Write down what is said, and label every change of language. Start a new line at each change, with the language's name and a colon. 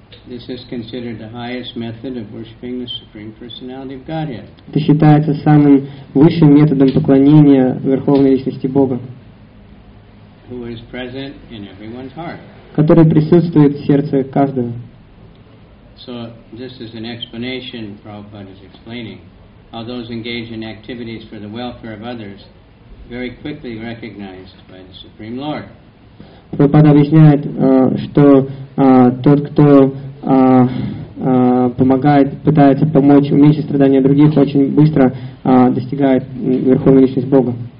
English: This is considered the highest method of worshiping the Supreme Personality of Godhead.
Russian: Это считается самым высшим методом поклонения Верховной Личности Бога.
English: Who is present in everyone's heart.
Russian: Который присутствует в сердце каждого.
English: So this is an explanation Prabhupada is explaining. How those engaged in activities for the welfare of others very quickly recognized by the Supreme Lord.
Russian: Прабхупада объясняет, что тот, кто помогает, пытается помочь уменьшить страдания других, очень быстро достигает Верховной Личности Бога.